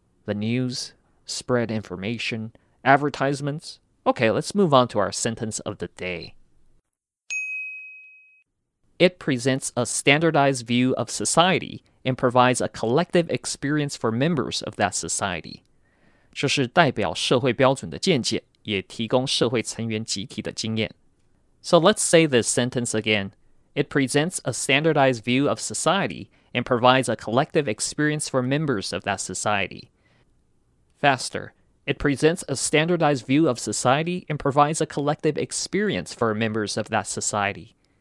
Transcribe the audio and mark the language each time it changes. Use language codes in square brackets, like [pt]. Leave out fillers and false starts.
[en] The news, spread information, advertisements? Okay, let's move on to our sentence of the day. It presents a standardized view of society and provides a collective experience for members of that society. [zh] 这是代表社会标准的见解，也提供社会成员集体的经验。 [en] So let's say this sentence again. It presents a standardized view of society and provides a collective experience for members of that society. Faster. It presents a standardized view of society and provides a collective experience for members of that society.